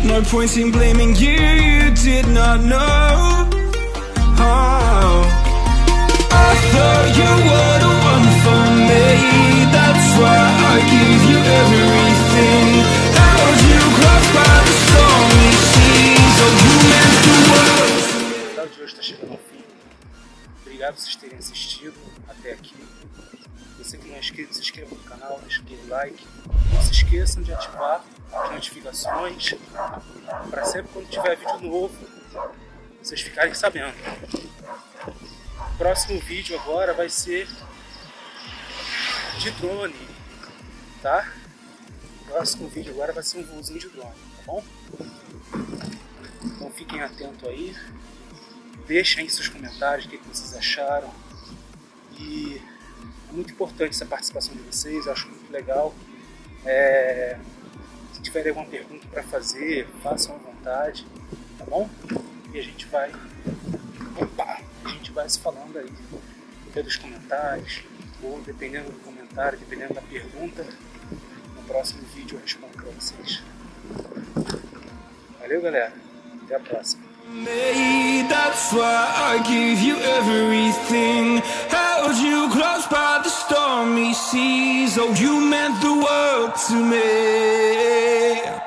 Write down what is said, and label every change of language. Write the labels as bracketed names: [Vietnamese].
[English] Points in blaming you, you did not know how. I thought you were the one for me. That's why I give you everything. How did you cross by the stormy seas? Oh, you meant the world. [Portuguese] O de hoje está chegando ao fim. Obrigado por vocês terem assistido até aqui. Você que não é inscrito, se inscreva no canal, deixa aquele like. Não se esqueçam de ativar as notificações para sempre quando tiver vídeo novo vocês ficarem sabendo. O próximo vídeo agora vai ser de drone, tá? O próximo vídeo agora vai ser um voozinho de drone, tá bom? Então fiquem atentos aí. Deixem aí seus comentários, o que vocês acharam. E é muito importante essa participação de vocês, eu acho muito legal. Se tiverem alguma pergunta para fazer, façam à vontade, tá bom? E a gente vai. Opa! A gente vai se falando aí, pelos comentários, ou dependendo do comentário, dependendo da pergunta, no próximo vídeo eu respondo para vocês. Valeu, galera! Até a próxima! [English] May, that's why I give you everything. Held you close by the stormy seas. Oh, you meant the world to me.